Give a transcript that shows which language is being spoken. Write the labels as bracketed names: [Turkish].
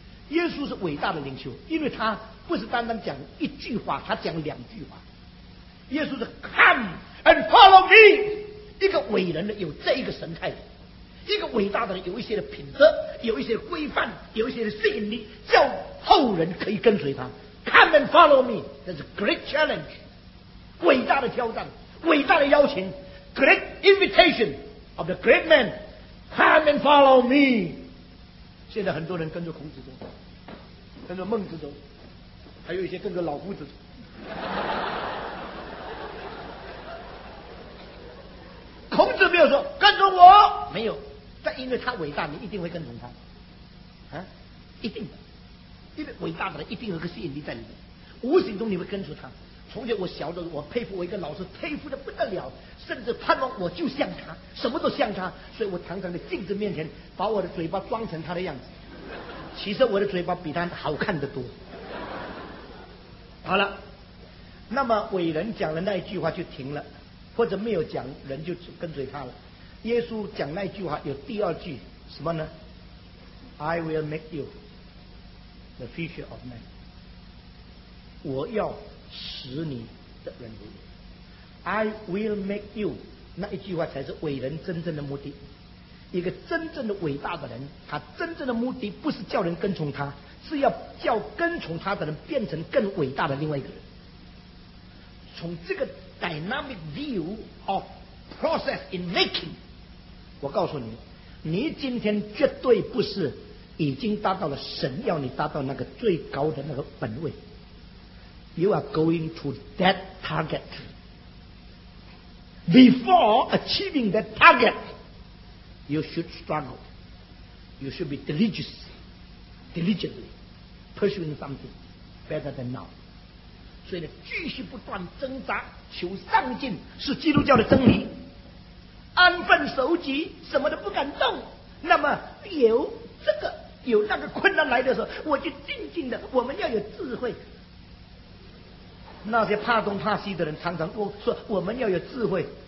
[Chinese] 耶稣是伟大的领袖，因为他不是单单讲一句话，他讲两句话。耶稣是 [English] come and follow me， [Chinese] 一个伟人的有这一个神态，一个伟大的人有一些的品德，有一些规范，有一些的吸引力，叫后人可以跟随他。 [English] Come and follow me， [Chinese] 这是 [English] great challenge， [Chinese] 伟大的挑战，伟大的邀请， [English] great invitation of the great man。 Come and follow me。 [Chinese] 现在很多人跟着孔子走，跟着孟子走，还有一些跟着老夫子走。孔子没有说跟着我，没有，但因为他伟大，你一定会跟从他，啊，一定的，因为伟大的人一定有个吸引力在里面，无形中你会跟随他。从前我小的，我佩服我一个老师，佩服的不得了，甚至盼望我就像他，什么都像他，所以我常常在镜子面前把我的嘴巴装成他的样子，其实我的嘴巴比他好看得多。好了，那么伟人讲的那一句话就停了。或者没有讲，人就跟随他了。耶稣讲那句话有第二句什么呢？ [English] I will make you the fisher of men， [Chinese] 我要使你的人如我。 [English] I will make you， [Chinese] 那一句话才是伟人真正的目的。一个真正的伟大的人，他真正的目的不是叫人跟从他，是要叫跟从他的人变成更伟大的另外一个人。从这个 [English] dynamic view of process in making， [Chinese] 我告诉你，你今天绝对不是已经达到了神要你达到那个最高的那个本位。 [English] You are going to that target. Before achieving that target, you should struggle. You should be diligently pursuing something better than now. [Chinese] 所以呢，继续不断挣扎，求上进是基督教的真理。安分守己，什么都不敢动。那么有这个有那个困难来的时候，我就静静的。我们要有智慧。那些怕东怕西的人，常常都说我们要有智慧。